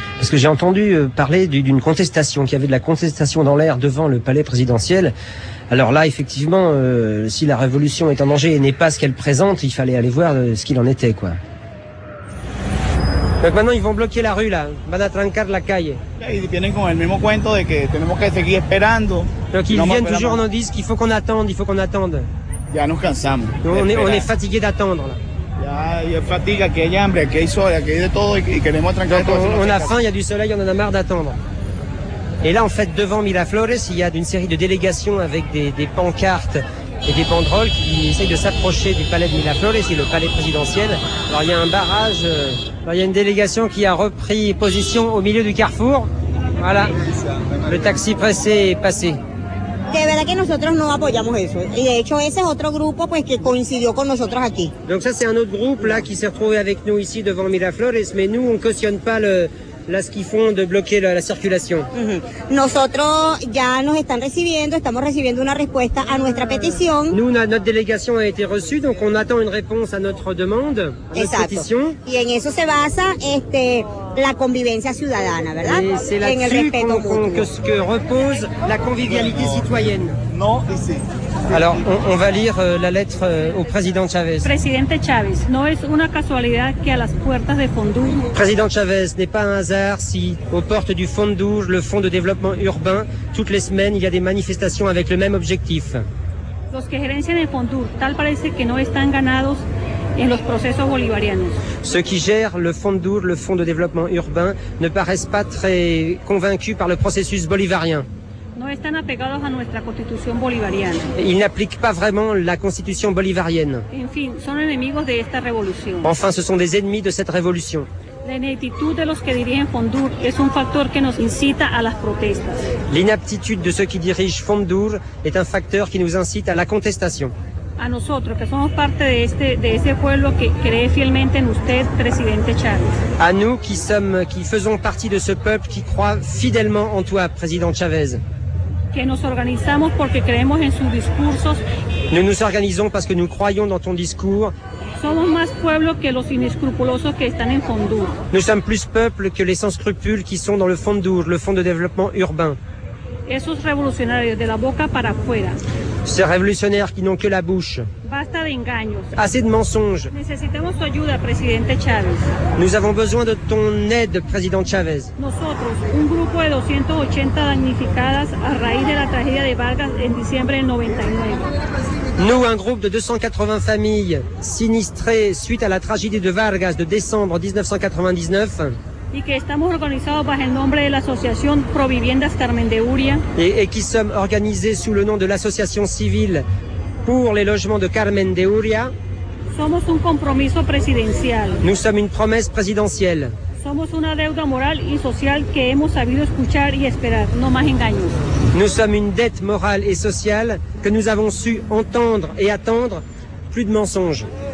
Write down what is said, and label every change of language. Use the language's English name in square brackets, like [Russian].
[French] parce que j'ai entendu parler d'une contestation, qu'il y avait de la contestation dans l'air devant le palais présidentiel. Alors là, effectivement, si la révolution est en danger et n'est pas ce qu'elle présente, il fallait aller voir ce qu'il en était, quoi. Donc maintenant, ils vont bloquer la rue, là. [Spanish] Van a trancar la calle. [French] Ils viennent [Spanish] con el mismo cuento de que tenemos que seguir esperando. [French] Donc ils viennent toujours, nous disent qu'il faut qu'on attende, il faut qu'on attende. [Spanish] Ya nos cansamos. [French] Donc, on est fatigués d'attendre, là. [Spanish] Ya fatiga, que hay hambre, que hay sol, que hay de todo, y queremos trancar todo. [French] On a faim, il y a du soleil, on en a marre d'attendre. Et là, en fait, devant Miraflores, il y a une série de délégations avec des pancartes et des banderoles qui essayent de s'approcher du palais de Miraflores, et le palais présidentiel. Alors, il y a un barrage. Alors, il y a une délégation qui a repris position au milieu du carrefour. Voilà. Le taxi pressé est passé. [Spanish] De verdad que nosotros no apoyamos eso. Y de hecho, ese es otro grupo pues, que coincidió con nosotros aquí. [French] Donc, ça, c'est un autre groupe là, qui s'est retrouvé avec nous ici devant Miraflores. Mais nous, on ne cautionne pas ce qu'ils font de bloquer la circulation. Mm-hmm. [Spanish] Nosotros ya nos están recibiendo, estamos recibiendo una respuesta a nuestra petición. [French] Nous, notre délégation a été reçue, donc on attend une réponse à notre demande, à notre pétition. [Spanish] Y en eso se basa la convivencia ciudadana, ¿verdad? [French] Et c'est là-dessus que repose la convivialité citoyenne. Non, ici. Alors, on va lire la lettre au président Chavez. [Spanish] Presidente Chávez, no es una casualidad que a las puertas de Fondur. [French] Président Chavez, n'est pas un hasard si aux portes du Fondur, le Fonds de développement urbain, toutes les semaines, il y a des manifestations avec le même objectif. [Spanish] Los que gerencian el Fondur, tal parece que no están ganados en los procesos bolivarianos. [French] Ceux qui gèrent le Fondur, le Fonds de développement urbain, ne paraissent pas très convaincus par le processus bolivarien. [Spanish] No están apegados a nuestra constitución bolivariana. [French] Ils n'appliquent pas vraiment la constitution bolivarienne. [Spanish] Enfin, son enemigos de esta revolución. [French] Enfin, ce sont des ennemis de cette révolution. [Spanish] La ineptitud de los que dirigen Fondur es un factor que nos incita a las protestas. [French] L'inaptitude de ceux qui dirigent Fondur est un facteur qui nous incite à la contestation. [Spanish] A nosotros, que somos parte de ese pueblo que cree fielmente en usted, presidente Chávez. [French] A nous qui faisons partie de ce peuple qui croit fidèlement en toi, président Chávez. [Spanish] Que nos organizamos porque creemos en sus discursos. [French] Nous nous organisons parce que nous croyons dans ton discours. [Spanish] Somos más pueblo que los inescrupulosos que están en Fondur. [French] Nous sommes plus peuple que les sans scrupules qui sont dans le Fondur, le fonds de développement urbain. [Spanish] Esos revolucionarios de la boca para afuera. [French] Ces révolutionnaires qui n'ont que la bouche. [Spanish] Basta de engaños. [French] Assez de mensonges. [Spanish] Necesitamos tu ayuda, presidente Chávez. [French] Nous avons besoin de ton aide, président Chávez. [Spanish] Nosotros, un grupo de 280 damnificadas a raíz de la tragedia de Vargas en diciembre del 99. [French] Nous, un groupe de 280 familles sinistrées suite à la tragédie de Vargas de décembre 1999. [Spanish] Y que estamos organizados bajo el nombre de la Asociación Pro Viviendas Carmen de Uria. [French] Et qui sommes organisés sous le nom de l'Association Civile pour les Logements de Carmen de Uria. [Spanish] Somos un compromiso presidencial. [French] Nous sommes une promesse présidentielle. [Spanish] Somos una deuda moral y social que hemos sabido escuchar y esperar, no más engaños. [French] Nous sommes une dette morale et sociale que nous avons su entendre et attendre, plus de mensonges.